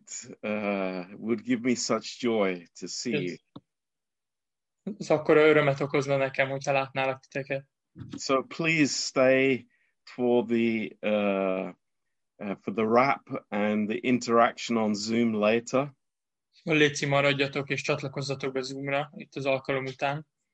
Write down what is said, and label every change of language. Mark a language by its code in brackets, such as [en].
[en] It would give me such joy to see you. [hu] Ez akkora örömet okozna nekem, hogyha látnálak titeket. [en] So please stay for the wrap and the interaction on Zoom later. [hu] Légy szíves, maradjatok és csatlakozzatok be Zoomra itt az alkalom után.